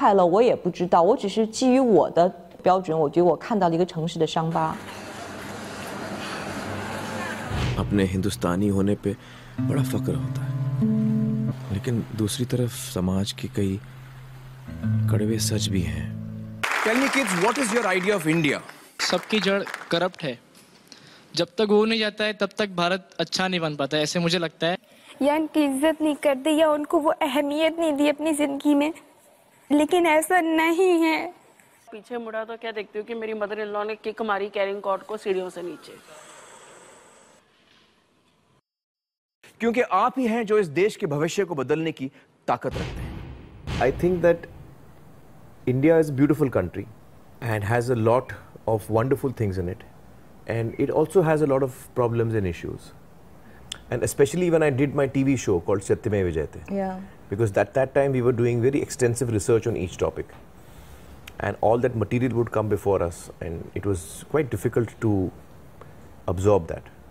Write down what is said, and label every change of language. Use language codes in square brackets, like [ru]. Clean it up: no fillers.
[zh] 有哪些误解，也只是一点点皮毛而已。比如说我看到那个千人洗衣场，我会觉得特别的沉重，那真是超出我的承受的极限。我看到是痛苦，但是我的确不能够百分之百的说住在那的人都是痛苦苦难的，我不知道，人家可能比我要快乐，我也不知道，我只是基于我的。 [hi] अपने हिंदुस्तानी होने पे बड़ा फक्र होता है, लेकिन दूसरी तरफ समाज के कई कड़वे सच भी हैं। [en] Tell me kids, what is your idea of India? [hi] सबकी जड़ करप्ट है, जब तक वो नहीं जाता है तब तक भारत अच्छा नहीं बन पाता, ऐसे मुझे लगता है। या उनकी इज्जत नहीं करते, या उनको वो अहमियत नहीं दी अपनी जिंदगी में, लेकिन ऐसा नहीं है। पीछे मुड़ा तो क्या देखती हूँ कि मेरी मदर इन लॉ ने किक मारी कैरिंग कॉर्ड को सीढ़ियों से नीचे, क्योंकि आप ही हैं जो इस देश के भविष्य को बदलने की ताकत रखते हैं। [en] I think that India is beautiful country and has a lot of wonderful things in it, And it also has a lot of problems and issues. And especially when I did my TV show called Satyameva Vijayate. Yeah. Because at that time we were doing very extensive research on each topic. And all that material would come before us. And it was quite difficult to absorb that.